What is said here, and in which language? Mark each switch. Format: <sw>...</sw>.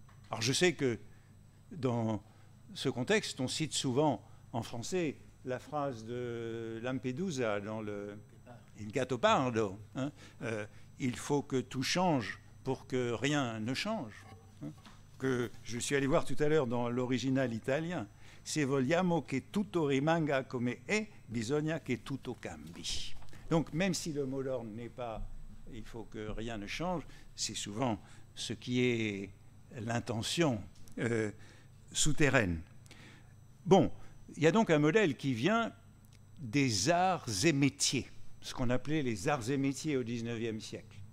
<fr>Alors je sais que dans ce contexte, on cite souvent en français la phrase de Lampedusa dans le Il Gattopardo, hein, il faut que tout change pour que rien ne change, hein, que je suis allé voir tout à l'heure dans l'original italien.</fr> <it>Se vogliamo che tutto rimanga come è, bisogna che tutto cambi.</it> <fr>Donc même si le mot d'ordre n'est pas il faut que rien ne change, c'est souvent ce qui est l'intention souterraine. Bon, il y a donc un modèle qui vient des arts et métiers, ce qu'on appelait les arts et métiers au XIXe siècle.</fr>